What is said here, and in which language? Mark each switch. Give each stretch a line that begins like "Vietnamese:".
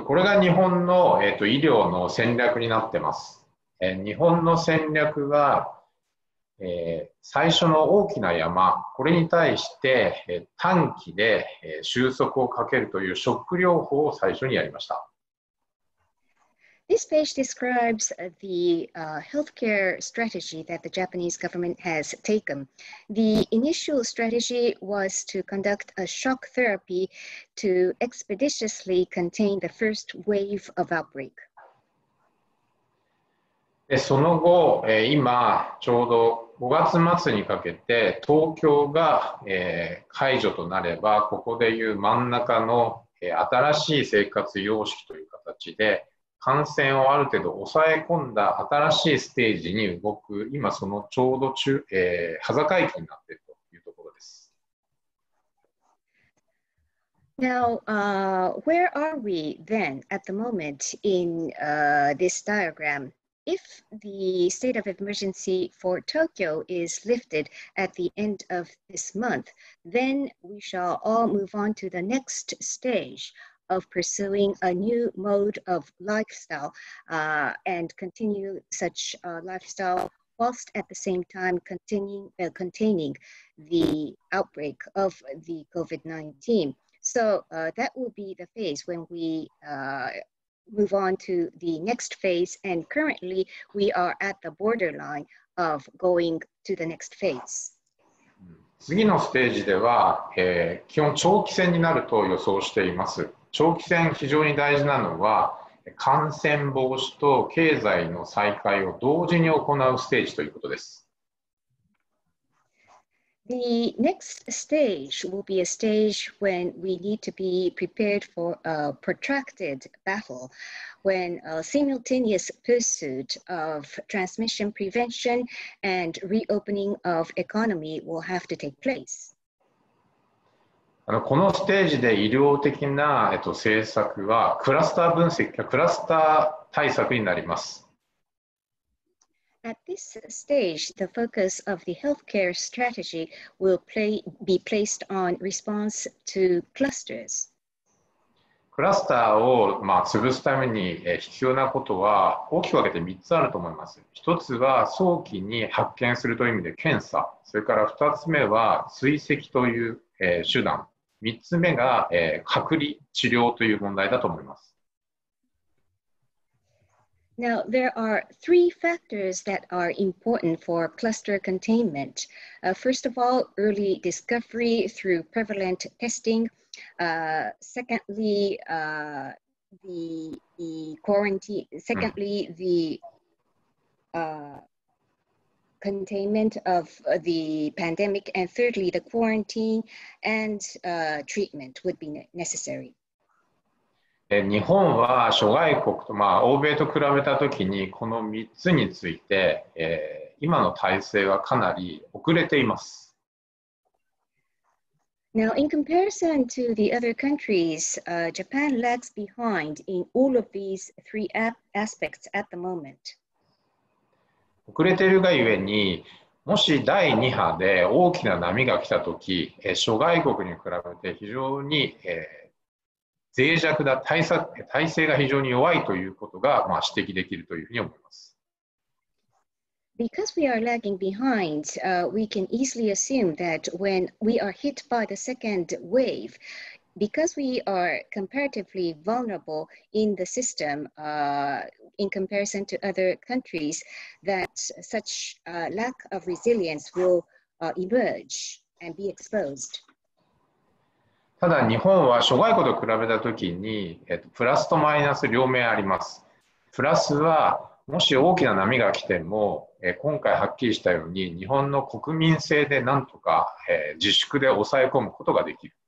Japanese: これが日本の、医療の戦略になってます。日本の戦略は、最初の大きな山、これに対して、短期で、収束をかけるというショック療法を最初にやりました。
English: This page describes the healthcare strategy that the Japanese government has taken. The initial strategy was to conduct a shock therapy to expeditiously contain the first wave of outbreak.
Japanese: その後、今ちょうど5月末にかけて東京が、解除となれば、ここでいう真ん中の、新しい生活様式という形で感染をある程度抑え込んだ新しいステージに動く、今そのちょうど中、端境期になっているというところです。
English: Now, where are we then at the moment in this diagram? If the state of emergency for Tokyo is lifted at the end of this month, then we shall all move on to the next stage. Of pursuing a new mode of lifestyle and continue such a lifestyle whilst at the same time containing the outbreak of the COVID-19. So that will be the phase when we move on to the next phase. And currently, we are at the borderline of going to the next phase.
Japanese: 次のステージでは、基本長期戦になると予想しています。長期戦、非常に大事なのは、感染防止と経済の再開を同時に行うステージということです。
English: The next stage will be a stage when we need to be prepared for a protracted battle, when a simultaneous pursuit of transmission prevention and reopening of economy will have to take place.
Japanese: このステージで医療的な、政策はクラスター分析、クラスター対策になります。
English: At this stage, the focus of the healthcare strategy will be placed on response to clusters.
Japanese: クラスターを、潰すために必要なことは大きく分けて3つあると思います。 1つは早期に発見するという意味で検査、それから2つ目は追跡という、手段、3つ目が、隔離治療という問題だと思います。
English: Now, there are three factors that are important for cluster containment. First of all, early discovery through prevalent testing. Secondly, the quarantine. Secondly, the containment of the pandemic. And thirdly, the quarantine and treatment would be necessary.
Japanese: 日本は諸外国と、欧米と比べたときにこの3つについて、今の体制はかなり遅れています。
English: Now, in comparison to the other countries, Japan lags behind in all of these three aspects at the moment.
Japanese: 遅れているがゆえに、もし第2波で大きな波が来たとき、諸外国に比べて非常に、脆弱な体制が非常に弱いということが、指摘できるというふうに思います。
English: Because we are lagging behind, we can easily assume that when we are hit by the second wave, because we are comparatively vulnerable in the system, in comparison to other countries, that such lack of resilience will emerge and be exposed.
Japanese: ただ日本は諸外国と比べたときに、プラスとマイナス両面あります。プラスはもし大きな波が来ても、今回はっきりしたように日本の国民性でなんとか、自粛で抑え込むことができる。